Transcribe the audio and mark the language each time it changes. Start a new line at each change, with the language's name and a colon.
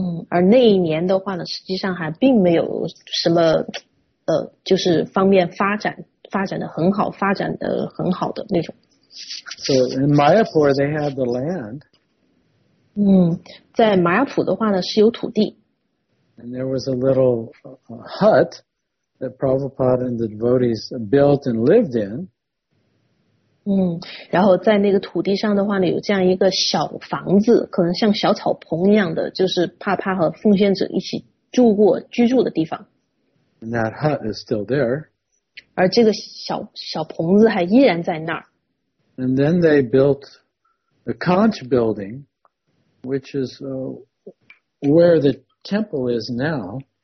Chinese: 而那一年的话呢，实际上还并没有什么就是方面发展的很好的那种。
English: So in Mayapur, they had the land.
Chinese: 在玛雅普的话呢，是有土地。
English: And there was a little hut that Prabhupada and the devotees built and lived in.
Chinese: 然后在那个土地上的话呢，有这样一个小房子，可能像小草棚一样的，就是帕帕和奉献者一起住过居住的地方。
English: And that hut is still there.
Chinese: 而这个小棚子还依然在那儿。
English: And then they built the conch building, which is where the temple is now.